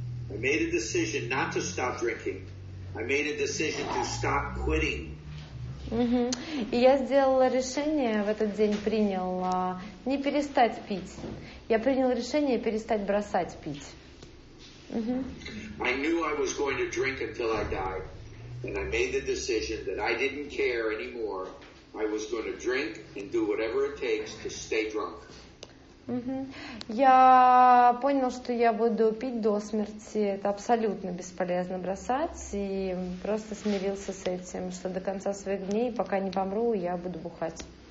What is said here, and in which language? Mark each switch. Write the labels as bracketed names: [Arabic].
[English] I made a decision not to stop drinking. I made a decision to stop quitting. [Russian] И я сделала решение, в этот день принял, не перестать пить. Я принял решение перестать бросать пить. [English] I knew I was going to drink until I died. And I made the decision that I didn't care anymore. I was going to drink and do whatever it takes to stay drunk. [Russian] Я понял, что я буду пить до смерти. Это абсолютно бесполезно бросать. И просто смирился с этим, что до конца своих дней, пока не помру, я буду бухать.